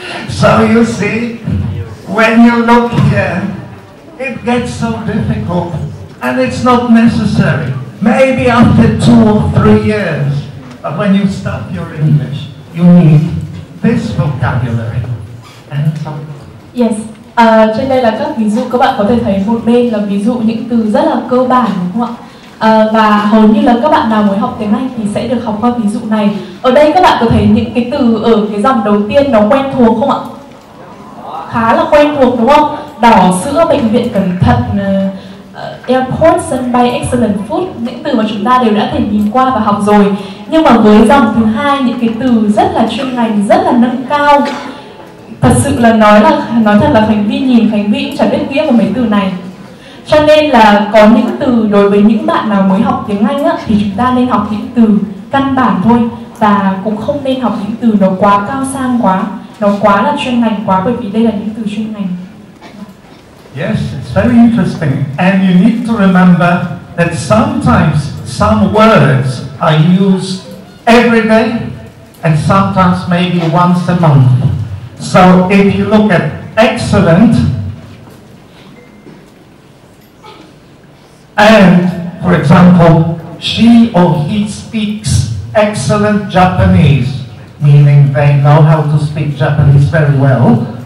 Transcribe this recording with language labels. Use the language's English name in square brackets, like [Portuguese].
[English] So you see, when you look here, it gets so difficult, and it's not necessary. Maybe after 2 or 3 years, but when you start your English, you need this vocabulary. And so. [Vietnamese] Yes. Trên đây là các ví dụ. Các bạn có thể thấy một bên là ví dụ những từ rất là cơ bản, đúng không ạ? Và hầu như là các bạn nào mới học tiếng Anh thì sẽ được học qua ví dụ này. Ở đây các bạn có thấy những cái từ ở cái dòng đầu tiên nó quen thuộc không ạ? Khá là quen thuộc đúng không? Đỏ sữa, bệnh viện cẩn thận, airport, sân bay, excellent food. Những từ mà chúng ta đều đã thể nhìn qua và học rồi. Nhưng mà với dòng thứ hai, những cái từ rất là chuyên ngành, rất là nâng cao. Thật sự là nói thật là Khánh Vy nhìn, Khánh Vy cũng chẳng biết nghĩa của mấy từ này. Cho nên là có những từ đối với những bạn nào mới học tiếng Anh á, thì chúng ta nên học những từ căn bản thôi. Và cũng không nên học những từ nó quá cao sang quá, nó quá là chuyên ngành quá, bởi vì đây là những từ chuyên ngành. [English] Yes, it's very interesting. And you need to remember that sometimes some words are used every day and sometimes maybe once a month. So if you look at excellent, and, for example, she or he speaks excellent Japanese, meaning they know how to speak Japanese very well.